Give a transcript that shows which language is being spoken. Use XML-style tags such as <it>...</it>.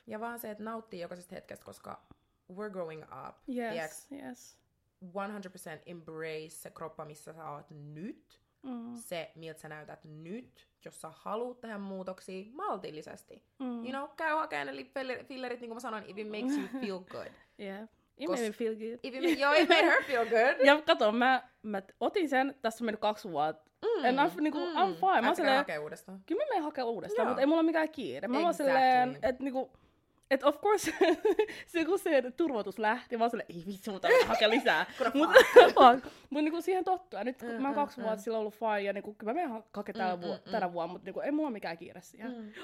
<fi>Ja vaan se, että nauttii jokaisesta hetkestä, koska</fi> <en>we're growing up. Yes,</en> <fi>tiiäks?</fi> <en>Yes.</en> <fi>100% embrace se kroppa, missä sä oot nyt. Mm. Se, miltä sä näytät nyt, jos sä haluut tehdä muutoksia maltillisesti. Mm.</fi> <en>You know,</en> <fi>käy hakemaan ne fillerit, niin kuin mä sanoin,</fi> <en>if it makes you feel good. Yeah, it made me feel good. If it made, joo, it made her feel good.</en> <fi>Ja kato, mä otin sen, tässä on mennyt 2 vuotta.</fi> <en>And I'm, niinku, I'm fine. Mä</en> <fi>silleen, hakee uudestaan. Kyllä mä menen hakee uudestaan, mutta ei mulla ole mikään kiire. Mä vaan silleen, että niinku, et</fi> <en>of course,</en> <fi>se kun se turvotus lähti, mä vaan silleen, ei vitsi, mutta mä hakee lisää. mutta niinku siihen tottua. Nyt kun mä oon 2 vuotta silloin ollut fine, ja niinku, kyllä mä menen hakee tänä vuonna, mutta niinku, ei mulla ole mikään kiire siihen.</fi>